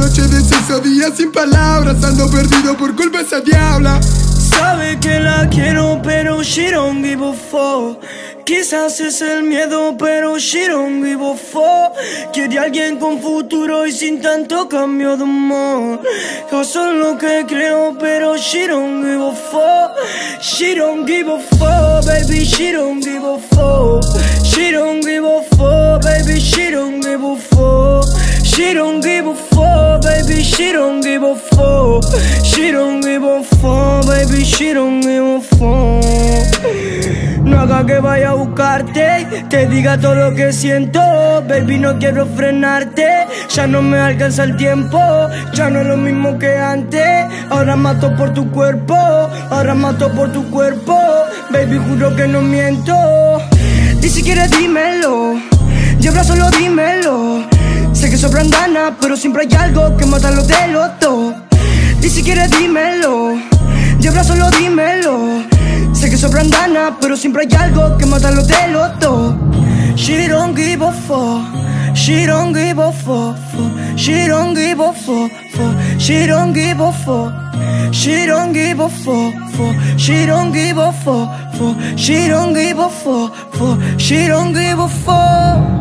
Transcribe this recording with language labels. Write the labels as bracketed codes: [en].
[es] Noche de sexo, días sin palabras. Ando perdido por culpa de esa diabla. Sabe que la quiero, pero [en] she don't give a fuck. [es] Quizás es el miedo, pero [en] she don't give a fuck. [es] Quiere alguien con futuro y sin tanto cambio de humor. Yo soy lo que creo, pero [en] she don't give a fuck. She don't give a fuck, baby, she don't give a fuck. She don't give a fuck, baby, she don't give a fuck. She don't give a fuck, baby, she don't give a fuck. She don't give a fuck, baby, she don't give a fuck. [es] No haga que vaya a buscarte, te diga todo lo que siento. Baby, no quiero frenarte, ya no me alcanza el tiempo. Ya no es lo mismo que antes, ahora mato por tu cuerpo. Ahora mato por tu cuerpo, baby, juro que no miento. Y si quieres dímelo, yo abrazo lo dímelo. Sé que sobran ganas, pero siempre hay algo que mata lo de los dos. Y si quieres dímelo, yo abrazo lo dímelo. Sé que sobran ganas, pero siempre hay algo que mata lo de los dos. [en] She don't give a fuck, she don't give a fuck, fuck. She don't give a fuck, fuck. She don't give a fuck. She don't give a fuck, fuck. She don't give a fuck, fuck. She don't give a fuck, fuck. She don't give a fuck.